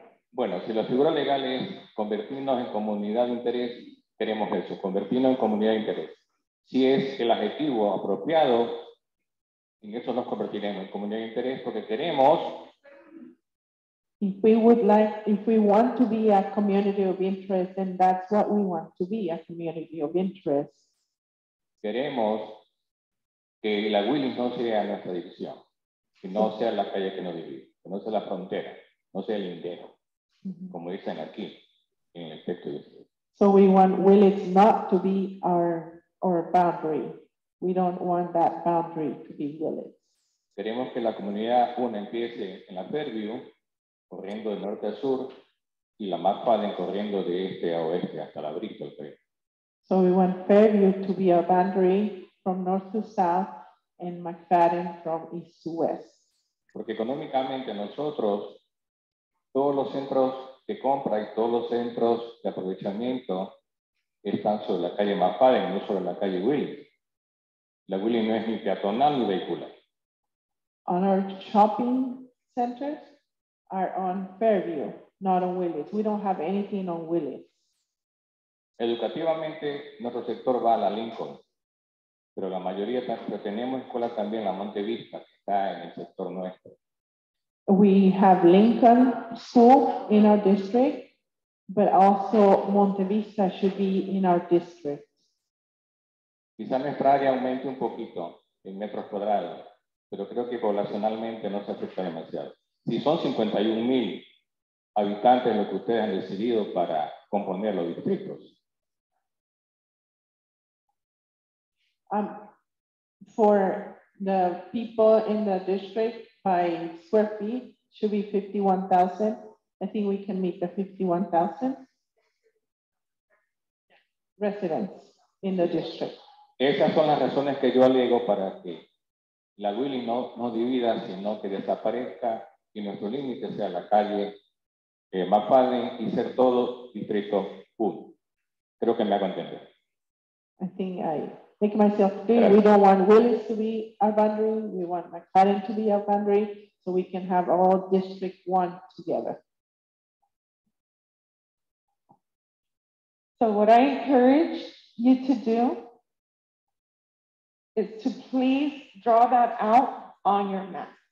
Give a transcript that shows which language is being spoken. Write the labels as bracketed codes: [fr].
[es] Bueno, si la figura legal es convertirnos en comunidad de interés, queremos eso, convertirnos en comunidad de interés. Si es el adjetivo apropiado, en eso nos convertiremos en comunidad de interés porque queremos. [en] If we would like, if we want to be a community of interest, then that's what we want to be, a community of interest. [es] Queremos que la Willis no sea nuestra división, que no sea la calle que nos divide, que no sea la frontera, no sea el lindero. Como dicen aquí, en el texto de... [en] So we want Willis not to be our boundary. We don't want that boundary to be Willis. [es] Queremos que la comunidad una empiece en la Fairview, corriendo de norte a sur, y la más paden corriendo de este a oeste hasta la Bristol. [en] So we want Fairview to be our boundary from north to south, and McFadden from east to west. [es] Porque económicamente nosotros... Todos los centros de compra y todos los centros de aprovechamiento están sobre la calle McFadden, no sobre la calle Willis. La Willis no es ni peatonal ni vehicular. [en] On our shopping centers, are on Fairview, not on Willis. We don't have anything on Willis. [es] Educativamente, nuestro sector va a la Lincoln, pero la mayoría tenemos escuela también la Monte Vista, que está en el sector nuestro. [en] We have Lincoln School in our district, but also Monte Vista should be in our district. [es] Quizá nuestra área aumente un poquito en metros cuadrados, pero creo que poblacionalmente no se afecta demasiado. Si son 51,000 habitantes lo que ustedes han decidido para componer los distritos. [en] For the people in the district by square feet, should be 51,000. I think we can meet the 51,000 residents in the district. [es] Esas son las razones que yo alego para que la Willing no divida, sino que desaparezca y nuestro límite sea la calle McFadden y ser todo distrito 1. Creo que me hago entender. [en] I think I make myself clear. We don't want Willis to be our boundary. We want McFadden to be our boundary so we can have all district 1 together. So what I encourage you to do is to please draw that out on your map.